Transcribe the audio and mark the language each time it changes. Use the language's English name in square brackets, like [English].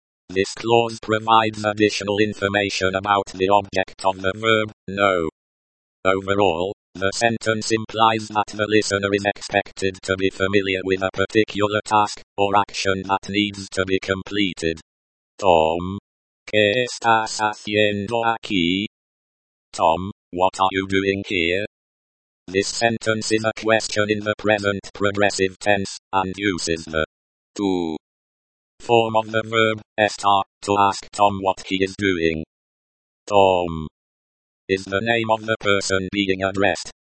[English] This clause provides additional information about the object of the verb, no. Overall, the sentence implies that the listener is expected to be familiar with a particular task or action that needs to be completed. [Spanish] Tom, ¿qué estás haciendo aquí? [English] Tom, what are you doing here? This sentence is a question in the present progressive tense and uses the tú form of the verb estar to ask Tom what he is doing. Tom is the name of the person being addressed.